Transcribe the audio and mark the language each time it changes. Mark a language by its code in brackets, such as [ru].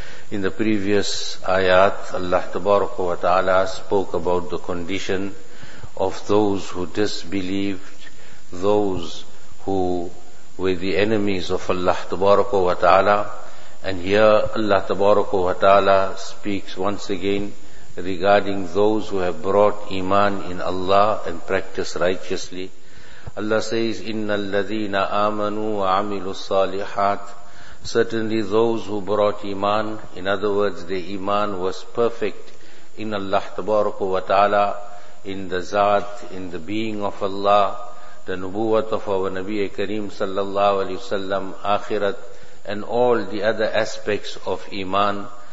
[en] In the previous ayat, Allah Tabaraka wa Ta'ala spoke about the condition of those who disbelieved, those who were the enemies of Allah Tabaraka wa Ta'ala. And here Allah Tabaraka wa Ta'ala speaks once again regarding those who have brought iman in Allah and practice righteously. Allah says, [ar] إِنَّ الَّذِينَ آمَنُوا وَعَمِلُوا الصَّالِحَاتِ. [en] Certainly those who brought iman, in other words, the iman was perfect in Allah Tabaraka wa Ta'ala, in the Zat, in the being of Allah, the Nubuwat of our Nabiya Kareem sallallahu alayhi wa sallam, Akhirat, and all the other aspects of iman.